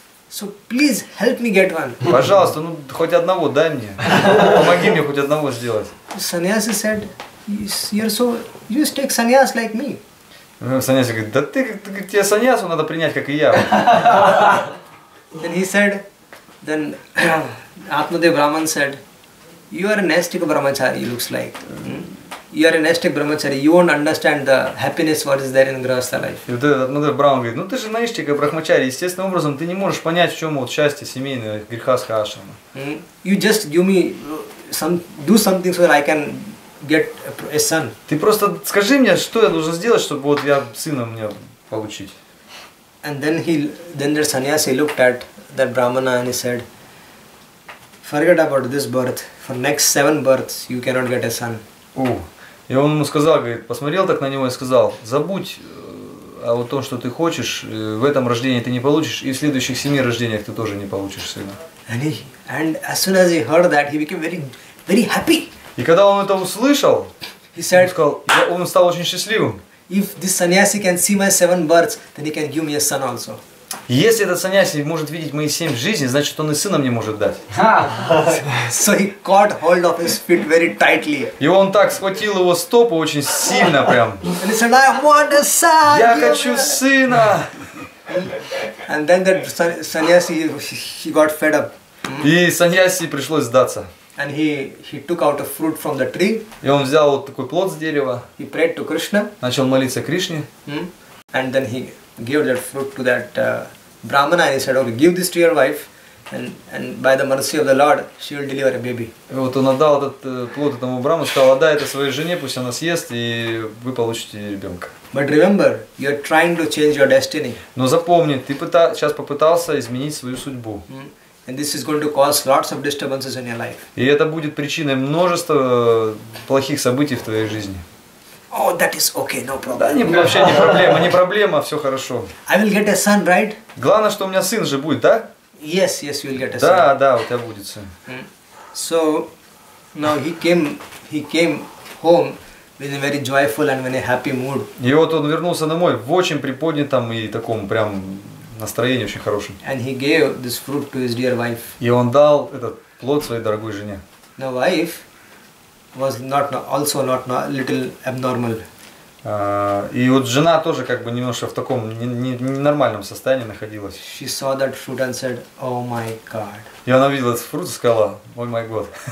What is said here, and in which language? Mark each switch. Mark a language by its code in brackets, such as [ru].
[en] So please help me get one. [ru] Пожалуйста, хоть одного дай мне. Помоги мне хоть одного сделать. [en] Sannyasi said, you just take sannyas like me. [ru] Саньяси говорит, да ты тебе саньясу надо принять, как и я. [en] Then he said, then Atmadev Brahman said, you are a nastic brahmachari, it looks like. You are a nastic brahmachari, you won't understand the happiness what is there in grahastha life. [ru] И вот этот Атмадев Брахман говорит, ты же настик брахмачари, естественным образом ты не можешь понять, в чем вот счастье семейное грехастха ашрама. [en] You just give me some, do something so that I can get a son. [ru] Ты просто скажи мне, что я должен сделать, чтобы вот я сына мне получить. [en] And then the sannyasi looked at that brahmana and he said, forget about this birth, for next 7 births you cannot get a son. [ru] И он ему сказал, говорит, посмотрел так на него и сказал, забудь о том, что ты хочешь, в этом рождении ты не получишь, и в следующих 7 рождениях ты тоже не получишь сына. [en] And as soon as he heard that, he became very, very happy. [ru] И когда он это услышал, он стал очень счастливым. [en] If this sannyasi can see my 7 births, then he can give me a son also. [ru] Если этот sannyasi может видеть мои 7 жизней, значит он и сына мне может дать. [en] So he caught hold of his feet very tightly. [ru] И он так схватил его стопу очень сильно прям. [en] And he said, I want a son. [ru] Я хочу сына. [en] And then that sannyasi he got fed up. [ru] И sannyasi пришлось сдаться. [en] And he took out a fruit from the tree. [ru] И он взял вот такой плод с дерева. [en] He prayed to Krishna. [ru] Начал молиться Кришне. [en] And then he gave that fruit to that brahmana and he said, "Okay, give this to your wife, and by the mercy of the Lord, she will deliver a baby." [ru] И вот он отдал этот плод этому брахману, сказал, "Отдай это своей жене, пусть она съест, и вы получите ребенка." [en] But remember, you're trying to change your destiny. [ru] Но запомни, ты сейчас попытался изменить свою судьбу. [en] And this is going to cause lots of disturbances in your life. [ru] И это будет причиной множества плохих событий в твоей жизни. [en] Oh, that is okay, no problem. [ru] Да, не, вообще не проблема, не проблема, все хорошо. [en] I will get a son, right? [ru] Главное, что у меня сын же будет, да? [en] Yes, yes, you will get a son. [ru] Да, да, у тебя будет сын. [en] So, now he came home with a very joyful and very happy mood. [ru] И вот он вернулся домой в очень приподнятом и таком прям настроении очень хорошем. [en] And he gave this fruit to his dear wife. [ru] И он дал этот плод своей дорогой жене. [en] The wife was not little abnormal. [ru] И вот жена тоже как бы немножко в таком ненормальном состоянии находилась. [en] She saw that fruit and said, "Oh my God." [ru] И она видела этот фрукт и сказала, [en] "Oh my God."